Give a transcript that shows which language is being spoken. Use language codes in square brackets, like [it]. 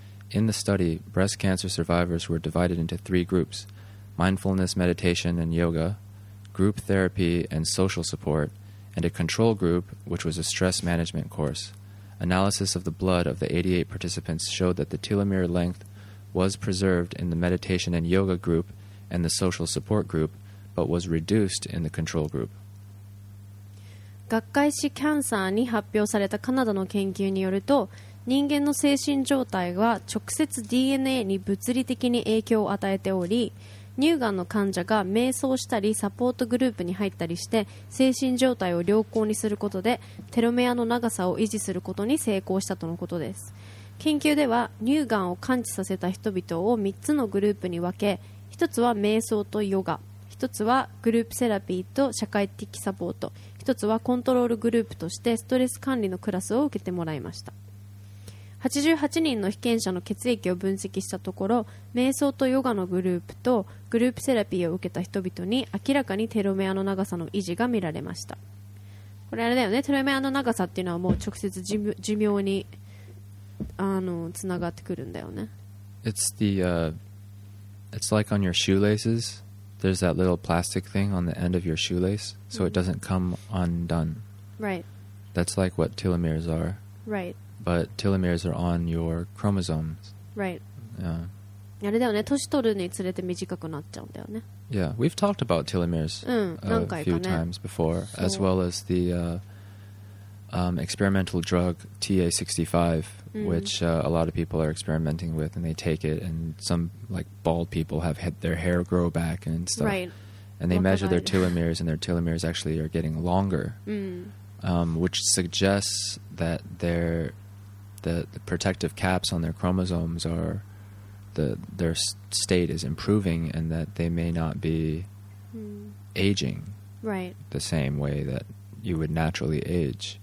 [en] In the study, breast cancer survivors were divided into three groups, mindfulness meditation and yoga, group therapy and social support, and a control group, which was a stress management course. Analysis of the blood of the 88 participants showed that the telomere lengthwas preserved in the meditation and yoga group and the social support group, but was reduced in the control group. [ja] 学会誌 Cancer に発表されたカナダの研究によると、人間の精神状態は直接 DNA に物理的に影響を与えており、乳がんの患者が瞑想したりサポートグループに入ったりして精神状態を良好にすることでテロメアの長さを維持することに成功したとのことです。研究では乳がんを完治させた人々を3つのグループに分け1つは瞑想とヨガ1つはグループセラピーと社会的サポート1つはコントロールグループとしてストレス管理のクラスを受けてもらいました 88人の被験者の血液を分析したところ瞑想とヨガのグループとグループセラピーを受けた人々に明らかにテロメアの長さの維持が見られましたこれあれだよねテロメアの長さっていうのはもう直接寿命にあの、つながってくるんだよね。 [en] It's the, it's like on your shoelaces. There's that little plastic thing on the end of your shoelace, so、mm-hmm. it doesn't come undone. Right. That's like what telomeres are. Right. But telomeres are on your chromosomes. Right. Yeah. [ja] あれだよね。年取るにつれて短くなっちゃうんだよね。 [en] Yeah. We've talked about telomeres、 [ja] うん、 [en] a few、 [ja] ね、 [en] times before, as well as the, experimental drug TA-65. Mm. Which a lot of people are experimenting with, and they take it, and some like bald people have their hair grow back and stuff. Right. And they measure their telomeres, and their telomeres actually are getting longer, which suggests that the protective caps on their chromosomes are, their state is improving, and that they may not be aging the same way that you would naturally age.